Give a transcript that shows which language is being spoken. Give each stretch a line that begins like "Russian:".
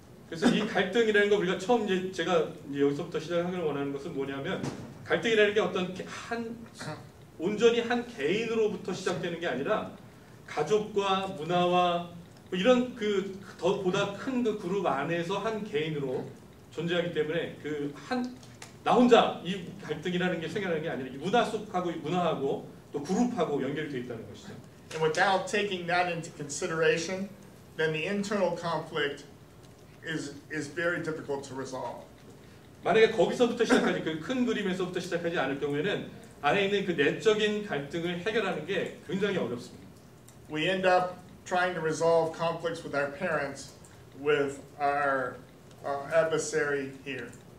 Korean: 그래서 이 갈등이라는 거 우리가 처음 이제 제가 이제 여기서부터 시작하기 원하는 것은 뭐냐면 갈등이라는 게 어떤 한 온전히 한 개인으로부터 시작되는 게 아니라 가족과 문화와 뭐 이런 그 더 보다 큰 그 그룹 안에서 한 개인으로 존재하기 때문에 그 한 나 혼자 이 갈등이라는 게 생겨나는 게 아니라 문화 속하고 문화하고 또 그룹하고 연결되어 있다는 것이죠.
English: And without taking that into consideration, then the internal conflict is very difficult to resolve.
Korean: 만약에 거기서부터 시작하지 그 큰 그림에서부터 시작하지 않을 경우에는 안에 있는 그 내적인 갈등을 해결하는 게 굉장히 어렵습니다.
English: We end up trying to resolve conflicts with our parents with our adversary here.